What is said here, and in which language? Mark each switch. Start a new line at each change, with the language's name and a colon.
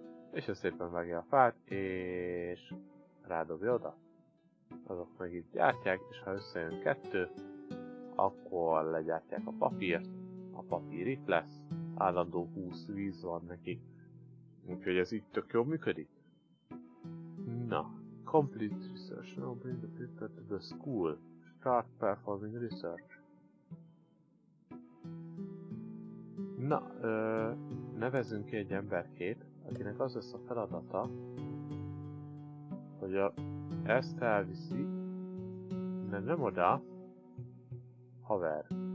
Hungarian: És ő szépen vágja a fát, és rádobja oda. Azok meg itt gyártják, és ha összejön kettő, akkor legyártják a papírt. A papír itt lesz. Állandó 20 víz van neki. Úgyhogy ez így tök jól működik.
English: Na. Complete research. Now bring the paper to the school. Start performing research.
Hungarian: Na, nevezünk ki egy emberkét, akinek az lesz a feladata, hogy ezt elviszi, de nem oda, haver.